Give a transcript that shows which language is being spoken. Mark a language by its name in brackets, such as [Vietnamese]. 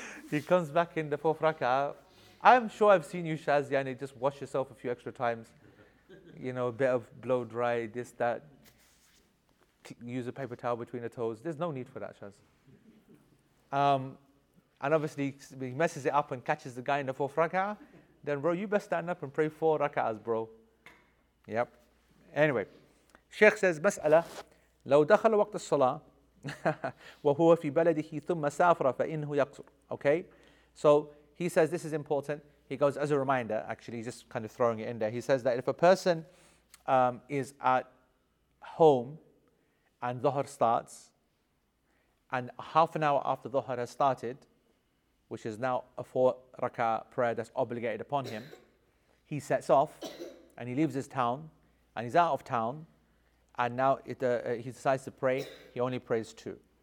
[English] He comes back in the fourth raka'ah. I'm sure I've seen you, Shaz, Yani, just wash yourself a few extra times. You know, a bit of blow dry, this, that. Use a paper towel between the toes. There's no need for that, Shaz. And obviously, he messes it up and catches the guy in the fourth raka'ah. Then, bro, you best stand up and pray four raka'ahs, bro. Yep. Anyway, Sheikh says, [Arabic] مسألة لو دخل وقت الصلاة وهو في بلده ثم سافر فإنه يقصر. [English] Okay? So, he says this is important. He goes, as a reminder, actually, just kind of throwing it in there. He says that if a person is at home and Dhuhr starts, and half an hour after Dhuhr has started, which is now a 4-raka'ah prayer that's obligated upon him, he sets off and he leaves his town and he's out of town, and now he decides to pray. He only prays 2.